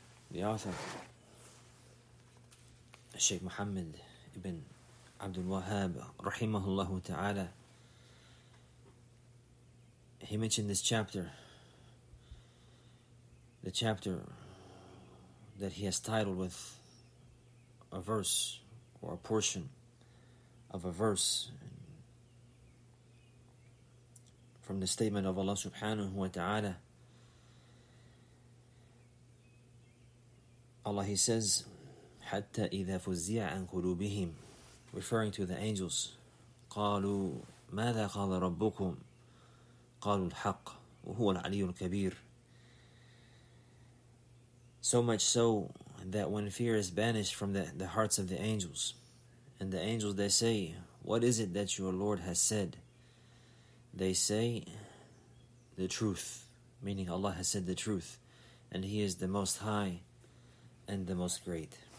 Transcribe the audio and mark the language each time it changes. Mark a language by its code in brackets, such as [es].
[en] The author, Sheikh Muhammad ibn Abdul Wahhab rahimahullahu ta'ala, he mentioned this chapter, the chapter that he has titled with a verse or a portion of a verse from the statement of Allah subhanahu wa ta'ala. Allah, he says, [ar] حَتَّى إِذَا فُزِّعَ عَنْ قُلُوبِهِمْ, [en] referring to the angels, [ar] قَالُوا مَاذَا قَالَ رَبُّكُمْ قَالُوا الْحَقِّ وَهُوَ الْعَلِيُّ الْكَبِيرُ. [en] So much so that when fear is banished from the hearts of the angels, and the angels, they say, what is it that your Lord has said? They say, the truth, meaning Allah has said the truth, and He is the Most High and the Most Great.